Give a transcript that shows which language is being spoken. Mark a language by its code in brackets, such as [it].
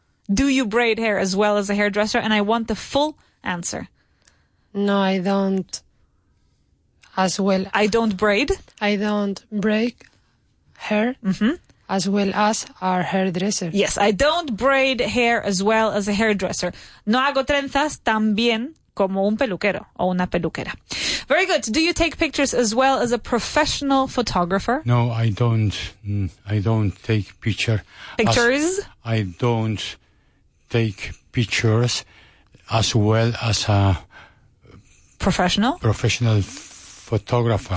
[en] Do you braid hair as well as a hairdresser? And I want the full answer. No, I don't. As well. I don't braid? I don't braid hair. Mm-hmm. As well as our hairdresser. Yes, I don't braid hair as well as a hairdresser. [es] No hago trenzas también como un peluquero o una peluquera. [en] Very good. Do you take pictures as well as a professional photographer? No, I don't. I don't take picture. Pictures? I don't take pictures as well as a... Professional? Professional photographer.